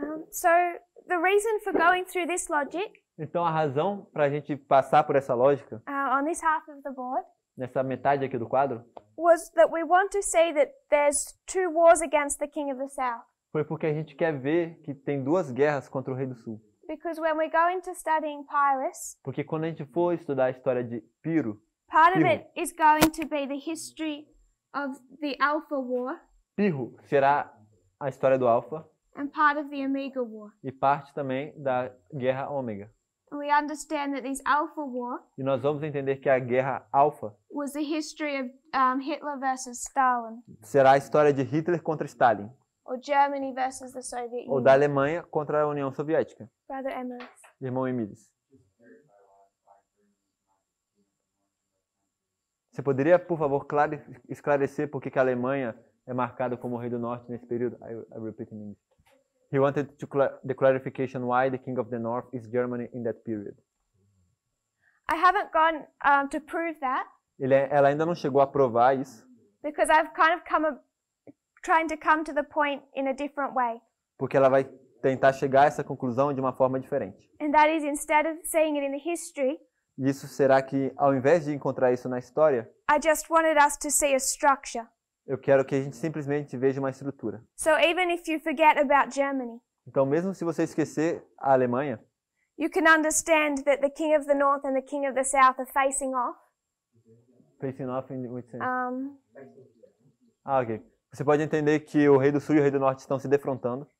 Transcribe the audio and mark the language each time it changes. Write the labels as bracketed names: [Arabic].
[English] So the reason for going through this logic. [Portuguese] Então a razão para a gente passar por essa lógica. [English] On this half of the board. [Portuguese] Nessa metade aqui do quadro. [English] Was that we want to say that there's two wars against the king of the south. [Portuguese] Foi porque a gente quer ver que tem duas guerras contra o rei do sul. [English] Because when we go into studying Pyrrhus. [Portuguese] Porque quando a gente for estudar a história de Piro. [English] Part of it is going to be the history of the Alpha War. [Portuguese] Pirro será a história do Alpha. [English] And part of the Omega War. [Portuguese] E parte também da Guerra Ômega. [English] We understand that this Alpha War. [Portuguese] E nós vamos entender que a Guerra Alpha. [English] Was the history of Hitler versus Stalin. [Portuguese] Será a história de Hitler contra Stalin. [English] Or Germany versus the Soviet Union. [Portuguese] Ou da Alemanha contra a União Soviética. [English] Brother Emirates. [Portuguese] Irmão Emílio. Você poderia, por favor, esclarecer por que a Alemanha é marcada como o Rei do Norte nesse período? [English] I repeat in English. He wanted to the clarification why the King of the North is Germany in that period. I haven't gone to prove that. [Portuguese] Ela ainda não chegou a provar isso. [English] Because I've kind of trying to come to the point in a different way. [Portuguese] Porque ela vai tentar chegar a essa conclusão de uma forma diferente. [English] And that is instead of saying it in the history. [Portuguese] Isso será que ao invés de encontrar isso na história. [English] I just wanted us to see a structure. [Portuguese] Eu quero que a gente simplesmente veja uma estrutura. [English] So even if you forget about Germany. [Portuguese] Então mesmo se você esquecer a Alemanha. [English] You can understand that the King of the North and the King of the South are facing off. Facing off in which sense? Okay. [Portuguese] Você pode entender que o Rei do Sul e o Rei do Norte estão se defrontando.